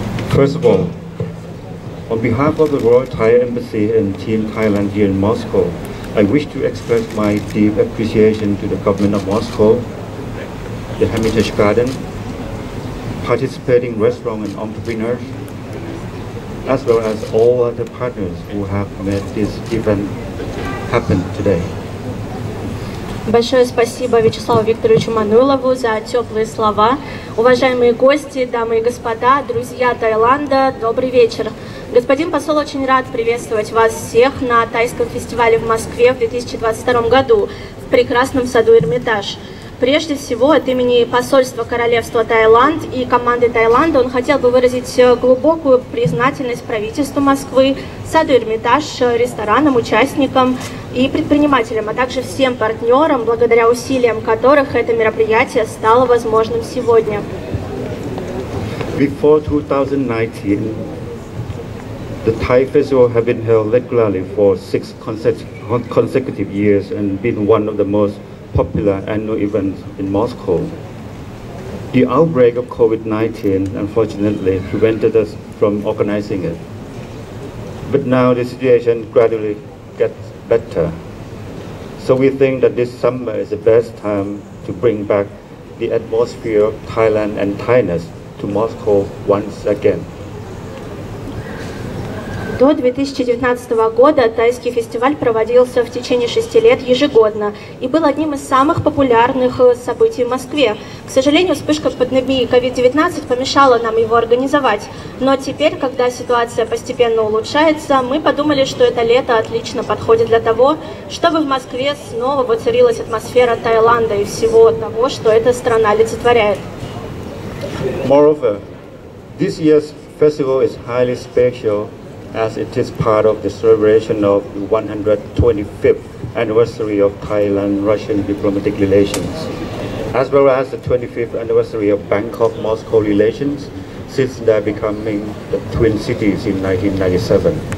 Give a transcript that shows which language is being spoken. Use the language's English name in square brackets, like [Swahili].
[English] First of all, on behalf of the Royal Thai Embassy and Team Thailand here in Moscow, I wish to express my deep appreciation to the government of Moscow, the Hermitage Garden, participating restaurant and entrepreneurs, as well as all other partners who have made this event happen today. [Russian] Большое спасибо Вячеславу Викторовичу Манулову за теплые слова. Уважаемые гости, дамы и господа, друзья Таиланда, добрый вечер. Господин посол очень рад приветствовать вас всех на тайском фестивале в Москве в 2022 году в прекрасном саду Эрмитаж. Прежде всего, от имени посольства Королевства Таиланд и команды Таиланда он хотел бы выразить глубокую признательность правительству Москвы, саду Эрмитаж, ресторанам, участникам и предпринимателям, а также всем партнерам, благодаря усилиям которых это мероприятие стало возможным сегодня. [English] Before 2019, the Thai Festival has been held regularly for six consecutive years and been one of the most popular annual events in Moscow. The outbreak of COVID-19 unfortunately prevented us from organizing it. But now the situation gradually gets better. So we think that this summer is the best time to bring back the atmosphere of Thailand and Thai-ness to Moscow once again. [Russian] До 2019 года тайский фестиваль проводился в течение 6 лет ежегодно и был одним из самых популярных событий в Москве. К сожалению, вспышка пандемии COVID-19 помешала нам его организовать. Но теперь, когда ситуация постепенно улучшается, мы подумали, что это лето отлично подходит для того, чтобы в Москве снова воцарилась атмосфера Таиланда и всего того, что эта страна олицетворяет. [English] Moreover, this year's festival is highly special, as it is part of the celebration of the 125th anniversary of Thailand-Russian diplomatic relations. as well as the 25th anniversary of Bangkok-Moscow relations since their becoming the twin cities in 1997.